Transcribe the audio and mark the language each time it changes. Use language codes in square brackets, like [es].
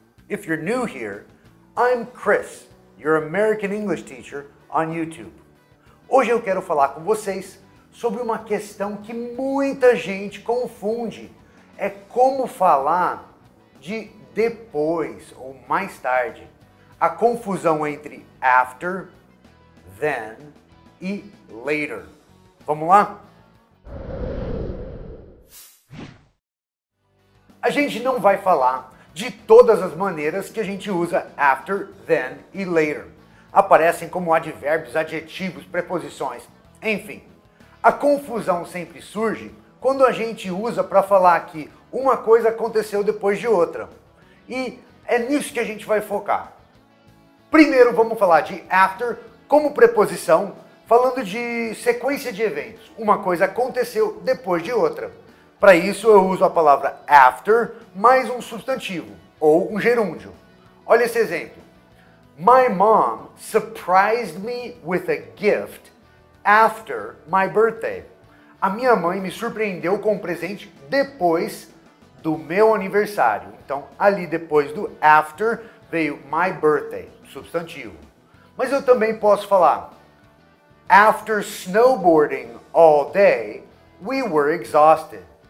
[en] If you're new here, I'm Chris, your American English teacher on YouTube. [pt] Hoje eu quero falar com vocês sobre uma questão que muita gente confunde. É como falar de depois ou mais tarde. A confusão entre after, then e later. Vamos lá? A gente não vai falar de todas as maneiras que a gente usa after, then e later. Aparecem como advérbios, adjetivos, preposições, enfim. A confusão sempre surge quando a gente usa para falar que uma coisa aconteceu depois de outra. E é nisso que a gente vai focar. Primeiro vamos falar de after como preposição, falando de sequência de eventos. Uma coisa aconteceu depois de outra. Para isso, eu uso a palavra after mais um substantivo, ou um gerúndio. Olha esse exemplo. [en] My mom surprised me with a gift after my birthday. [pt] A minha mãe me surpreendeu com um presente depois do meu aniversário. Então, ali depois do after, veio [en] my birthday, [pt] substantivo. Mas eu também posso falar. [en] After snowboarding all day, we were exhausted.